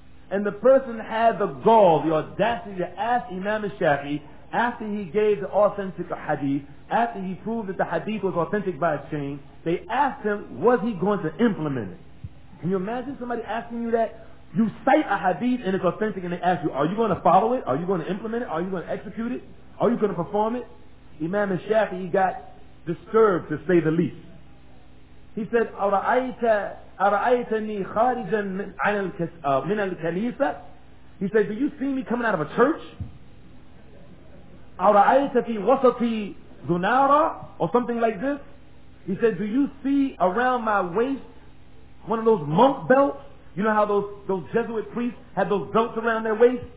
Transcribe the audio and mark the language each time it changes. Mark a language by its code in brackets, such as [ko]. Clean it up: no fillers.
[en] And the person had the gall, the audacity to ask Imam al-Shafi'i, after he gave the authentic hadith, after he proved that the hadith was authentic by a chain, they asked him, was he going to implement it? Can you imagine somebody asking you that? You cite a hadith and it's authentic, and they ask you, are you going to follow it? Are you going to implement it? Are you going to execute it? Are you going to perform it? Imam al-Shafi'i got disturbed, to say the least. He said, [ar] أَرَأَيْتَنِي خَارِجًا مِنَ الْكَلِيسَةِ. [en] He said, do you see me coming out of a church? [ar] أَرَأَيْتَ فِي وَسَطِي ذُنَارًا, [en] or something like this. He said, do you see around my waist one of those monk belts? You know how those Jesuit priests had those belts around their waist?